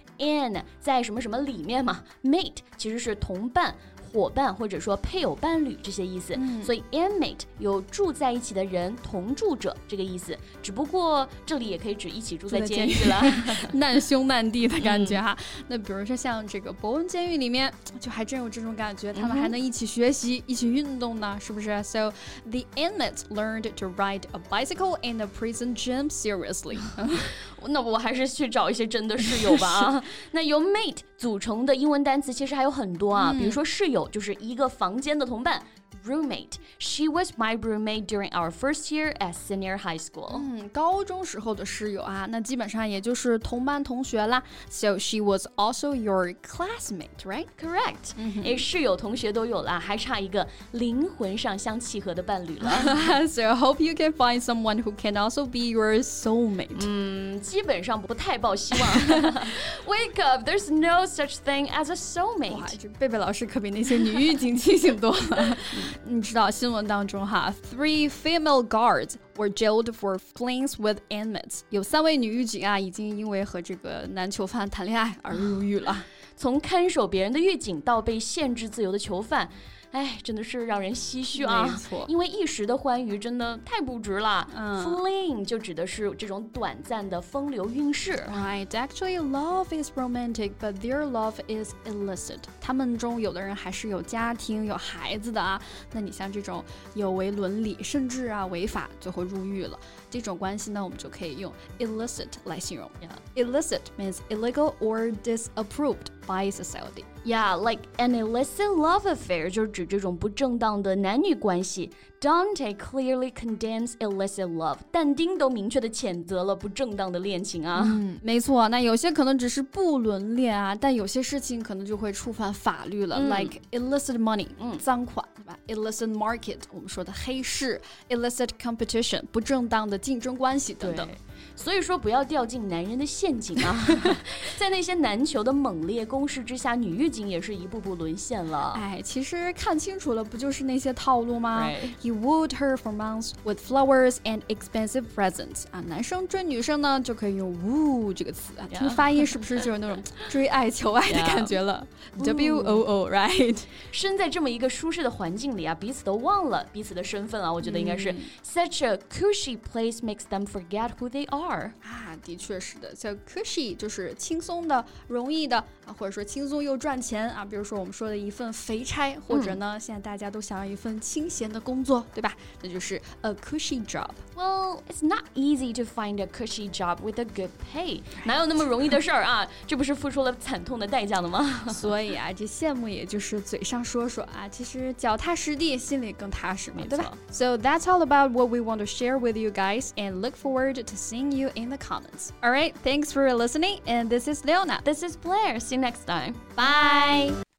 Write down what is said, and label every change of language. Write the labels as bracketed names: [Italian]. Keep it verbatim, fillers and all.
[Chinese] in 在什么什么里面嘛， mate 其实是同伴、伙伴或者说配偶、伴侣这些意思、嗯、所以 inmate 有住在一起的人、同住者这个意思，只不过这里也可以指一起住在监狱了难兄难弟的感觉哈、嗯。那比如说像这个伯恩监狱里面就还真有这种感觉，他们还能一起学习、嗯、一起运动呢，是不是？ [English] So the inmates learned to ride a bicycle in the prison gym seriously. [Chinese] 那我还是去找一些真的室友吧那由 mate 组成的英文单词其实还有很多啊、嗯、比如说室友就是一个房间的同伴 roommate. [English] She was my roommate during our first year at senior high school. [Chinese] 嗯，高中时候的室友啊，那基本上也就是同班同学啦。 [English] So she was also your classmate, right? Correct. [Chinese] 哎，室友同学都有啦，还差一个灵魂上相契合的伴侣了 [English] So I hope you can find someone who can also be your soulmate. [Chinese] 嗯，基本上不太抱希望 [English] Wake up, there's no such thing as a soulmate. [Chinese] 哇，这贝贝老师可比那些女狱警清醒多了你知道新闻当中哈 [English] Three female guards were jailed for flings with inmates. [Chinese] 有三位女狱警啊，已经因为和这个男囚犯谈恋爱而入狱了从看守别人的狱警到被限制自由的囚犯，哎，真的是让人唏嘘啊！没错，因为一时的欢愉真的太不值了。嗯，fling 就指的是这种短暂的风流韵事。 [English] Right, actually, love is romantic, but their love is illicit. [Chinese] 他们中有的人还是有家庭、有孩子的啊。那你像这种有违伦理，甚至啊违法，最后入狱了。这种关系呢，我们就可以用 illicit 来形容。 [English] Yeah. Illicit means illegal or disapproved by society. Yeah, like an illicit love affair [Chinese] 就是指这种不正当的男女关系。 [English] Dante clearly condemns illicit love. [Chinese] 但丁都明确的谴责了不正当的恋情啊。嗯，没错。那有些可能只是不伦恋啊，但有些事情可能就会触犯法律了。嗯、 [English] like illicit money，、 [Chinese] 嗯、赃款，对吧 ？Illicit market， 我们说的黑市。 Illicit competition， 不正当的竞争关系等等。所以说不要掉进男人的陷阱啊。在那些男囚的猛烈攻势之下，女狱警也是一步步沦陷了。哎，其实看清楚了，不就是那些套路吗？ [English] Right. He wooed her for months with flowers and expensive presents. [Chinese] 啊，男生追女生呢，就可以用 woo 这个词啊。 [English] Yeah. [Chinese] 听发音是不是就是那种追爱求爱的感觉了？ [English] W O O, right? [Chinese] 身在这么一个舒适的环境里啊，彼此都忘了彼此的身份啊。我觉得应该是、嗯、 [English] such a cushy place makes them forget who they are. [Chinese] 啊，的确是的，像 cushy 就是轻松的、容易的、啊、或者说轻松又赚钱啊。比如说我们说的一份肥差，或者呢，嗯、现在大家都想要一份清闲的工作，对吧？那就是 a cushy job. [English] Well, it's not easy to find a cushy job with a good pay. [Chinese] 哪有那么容易的事儿啊？这不是付出了惨痛的代价了吗？所以啊，这羡慕也就是嘴上说说啊，其实脚踏实地，心里更踏实嘛，对吧 ？ [English] So that's all about what we want to share with you guys, and look forward to seeing you. you in the comments. All right, thanks for listening. And this is Leona. This is Blair. See you next time. Bye.